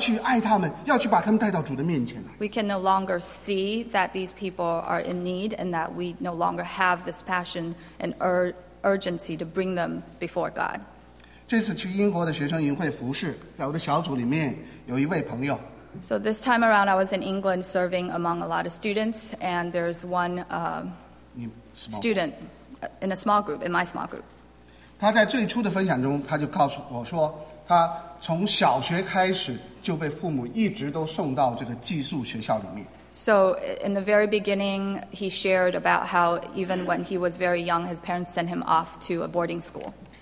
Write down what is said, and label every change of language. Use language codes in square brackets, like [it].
[zh] 我们不再看见他们，就心里面充满了那个冲动，要去爱他们，要去把他们带到主的面前来。 [en] We can no longer see that these people are in need, and that we no longer have this passion and urgency to bring them before God. [zh] 这次去英国的学生营会服侍，在我的小组里面有一位朋友。 [en] So this time around, I was in England serving among a lot of students, and there's one student in a small group, in my small group. [zh] 他在最初的分享中，他就告诉我说，他从小学开始就被父母一直都送到这个寄宿学校里面。 [en] So in the very beginning, he shared about how even when he was very young, his parents sent him off to a boarding school.